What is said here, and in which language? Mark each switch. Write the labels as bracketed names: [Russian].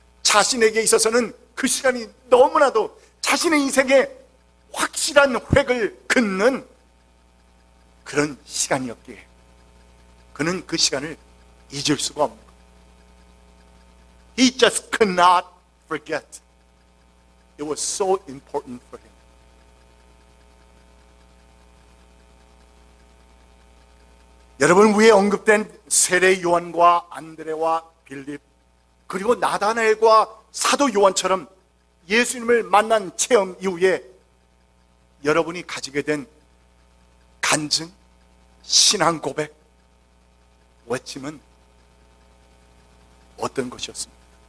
[Korean] 자신에게 있어서는 그 시간이 너무나도 자신의 인생에 확실한 획을 긋는 그런 시간이었기에 그는 그 시간을 잊을 수가 없는 것입니다. [English] He just could not forget. It was so important for him. [Korean] 여러분, 위에 언급된 세례 요한과 안드레와 빌립 그리고 나다나엘과 사도 요한처럼 예수님을 만난 체험 이후에 여러분이 가지게 된 간증, 신앙 고백, 외침은 어떤 것이었습니까?